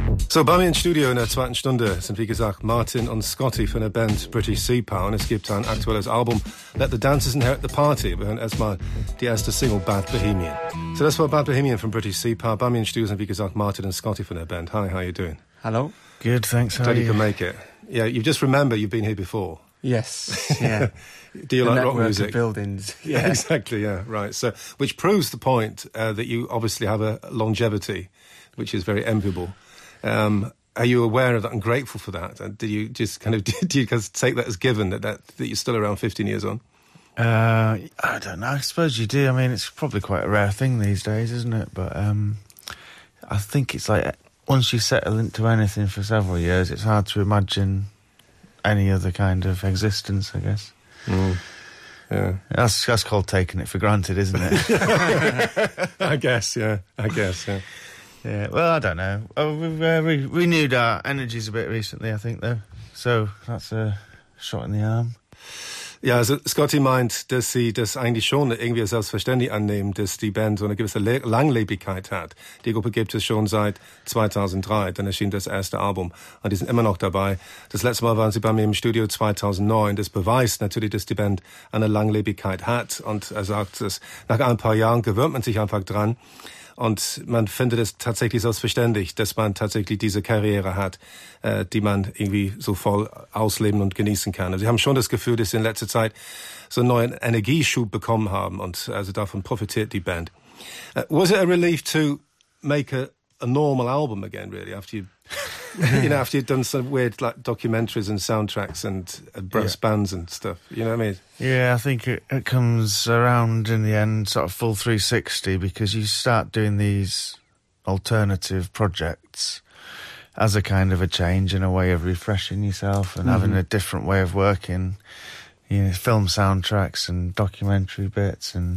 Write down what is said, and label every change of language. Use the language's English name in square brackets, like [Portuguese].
[German] So, bei mir im Studio in der zweiten Stunde sind, wie gesagt, Martin und Scotty von der Band British Sea Power. Es gibt ein aktuelles Album, Let the Dancers Inherit the Party. Wir hören erstmal die erste Single, Bad Bohemian. So, das war Bad Bohemian von British Sea Power. Bei mir im Studio sind, wie gesagt, Martin und Scotty von der Band. [English] Hi, how are you doing? Hello. Good, thanks. Glad you can make it. Yeah, you just remember you've been here before. Yes, yeah. Do you the like rock music? Of buildings. Yeah. Exactly, yeah, right. So, which proves the point that you obviously have a longevity, which is very enviable. Are you aware of that and grateful for that? And do you just kind of take that as given that you're still around 15 years on? I don't know. I suppose you do. I mean, it's probably quite a rare thing these days, isn't it? But I think it's like once you settle into anything for several years, it's hard to imagine any other kind of existence, I guess. Mm. Yeah, that's called taking it for granted, isn't it? I guess. Yeah, well, I don't know. We've renewed our energies a bit recently, I think, though. So that's a shot in the arm. [German] Ja, also Scotty meint, dass sie das eigentlich schon irgendwie selbstverständlich annehmen, dass die Band so eine gewisse Langlebigkeit hat. Die Gruppe gibt es schon seit 2003, dann erschien das erste Album und die sind immer noch dabei. Das letzte Mal waren sie bei mir im Studio 2009. Das beweist natürlich, dass die Band eine Langlebigkeit hat und er sagt, dass nach ein paar Jahren gewöhnt man sich einfach dran. Und man findet es tatsächlich selbstverständlich, dass man tatsächlich diese Karriere hat, die man irgendwie so voll ausleben und genießen kann. Also sie haben schon das Gefühl, dass sie in letzter Zeit so einen neuen Energieschub bekommen haben und also davon profitiert die Band. [English] Was it a relief to make a normal album again, really, after after you've done some weird like documentaries and soundtracks and brass bands and stuff? You know what I mean? Yeah, I think it comes around in the end, sort of full 360, because you start doing these alternative projects as a kind of a change and a way of refreshing yourself and having a different way of working, you know, film soundtracks and documentary bits.